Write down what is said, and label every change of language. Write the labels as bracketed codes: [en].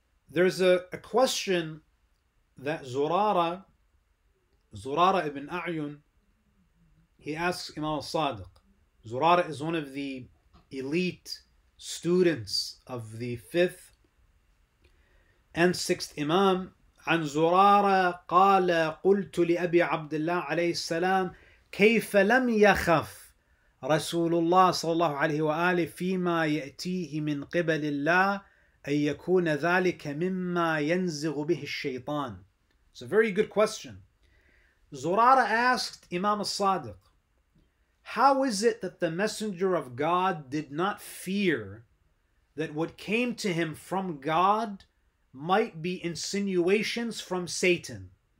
[en] There's a question that Zurara ibn A'yun, he asks Imam al-Sadiq. Zurara is one of the elite students of the 5th and 6th Imam. [ar] عن زرارة قال قلت لأبي عبد الله عليه السلام كيف لم يخف رسول الله صلى الله عليه وآله فيما يأتيه من قبل الله أن يكون ذلك مما ينزغ به الشيطان. [en] It's a very good question. Zurara asked Imam al-Sadiq, how is it that the messenger of God did not fear that what came to him from God might be insinuations from Satan?